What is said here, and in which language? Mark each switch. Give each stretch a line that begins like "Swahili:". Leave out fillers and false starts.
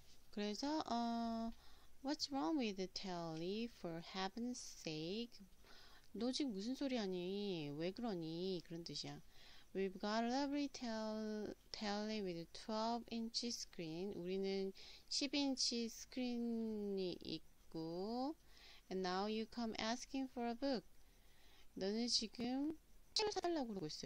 Korean: 그래서
English: What's wrong with the telly, for heaven's sake?
Korean: 너 지금 무슨 소리 하니? 왜 그러니? 그런 뜻이야.
English: We've got a lovely telly with a 12-inch screen.
Korean: 우리는 10인치 스크린이 있고.
English: And now you come asking for a book.
Korean: 너는 지금 책을 사달라고 그러고 있어.